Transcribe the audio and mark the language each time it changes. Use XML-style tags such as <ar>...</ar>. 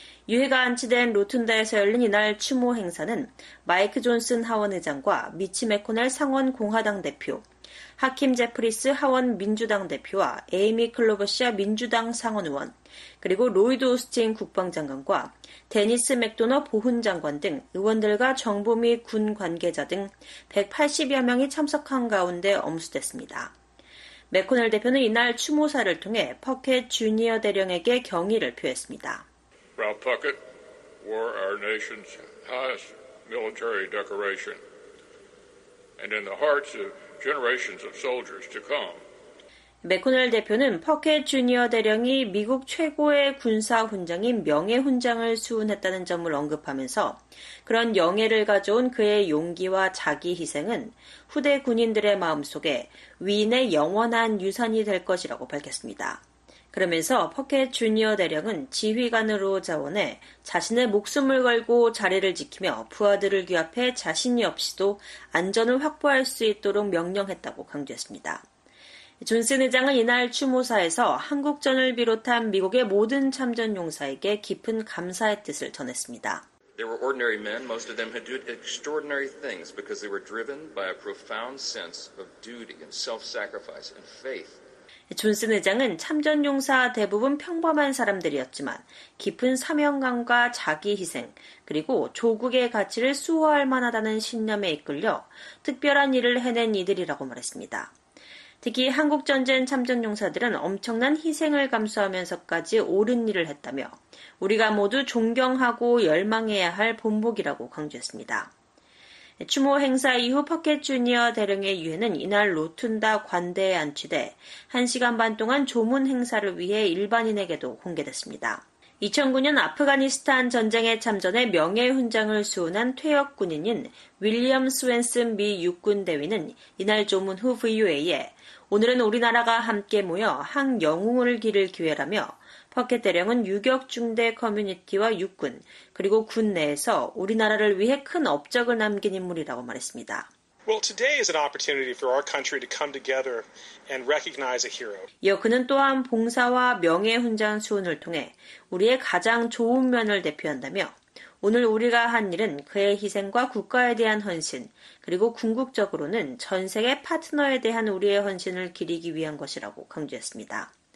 <ko>유해가 안치된 로툰다에서 열린 이날 추모 행사는 마이크 존슨 하원의장과 미치 맥코넬 상원 공화당 대표, 하킴 제프리스 하원 민주당 대표와 에이미 클로버시아 민주당 상원 의원, 그리고 로이드 오스틴 국방장관과 데니스 맥도너 보훈장관 등 의원들과 정부 및 군 관계자 등 180여 명이 참석한 가운데 엄수됐습니다. 맥코넬 대표는 이날 추모사를 통해 퍼켓 주니어 대령에게 경의를 표했습니다.</ko> <en>Ralph Puckett wore our nation's highest military decoration, and in the hearts of generations of soldiers to come.</en> <ko>맥코넬 대표는 퍼켓 주니어 대령이 미국 최고의 군사 훈장인 명예 훈장을 수훈했다는 점을 언급하면서 그런 영예를 가져온 그의 용기와 자기 희생은 후대 군인들의 마음 속에 위인의 영원한 유산이 될 것이라고 밝혔습니다. 그러면서 퍼켓 주니어 대령은 지휘관으로 자원해 자신의 목숨을 걸고 자리를 지키며 부하들을 규합해 자신이 없이도 안전을 확보할 수 있도록 명령했다고 강조했습니다. 존슨 의장은 이날 추모사에서 한국전을 비롯한 미국의 모든 참전 용사에게 깊은 감사의 뜻을 전했습니다.</ko> <en>They were ordinary men. Most of them had done extraordinary things because they were driven by a profound sense of duty and self-sacrifice and faith.</en> <ko>존슨 의장은 참전 용사 대부분 평범한 사람들이었지만 깊은 사명감과 자기 희생 그리고 조국의 가치를 수호할 만하다는 신념에 이끌려 특별한 일을 해낸 이들이라고 말했습니다. 특히 한국전쟁 참전 용사들은 엄청난 희생을 감수하면서까지 옳은 일을 했다며 우리가 모두 존경하고 열망해야 할 본보기라고 강조했습니다. 추모 행사 이후 퍼켓 주니어 대령의 유해는 이날 로툰다 관대에 안치돼 1시간 반 동안 조문 행사를 위해 일반인에게도 공개됐습니다. 2009년 아프가니스탄 전쟁에 참전해 명예훈장을 수훈한 퇴역 군인인 윌리엄 스웬슨 미 육군대위는 이날 조문 후 VOA에 오늘은 우리나라가 함께 모여 한 영웅을 기릴 기회라며 퍼켓 대령은 유격 중대 커뮤니티와 육군 그리고 군 내에서 우리나라를 위해 큰 업적을 남긴 인물이라고 말했습니다.</ko> <en>Well, today is an opportunity for our country to come together and recognize a hero.</en> <ko>이어 그는 또한 봉사와 명예훈장 수훈을 통해 우리의 가장 좋은 면을 대표한다며 오늘 우리가 한 일은 그의 희생과 국가에 대한 헌신 그리고 궁극적으로는 전 세계 파트너에 대한 우리의 헌신을 기리기 위한 것이라고 강조했습니다.</ko>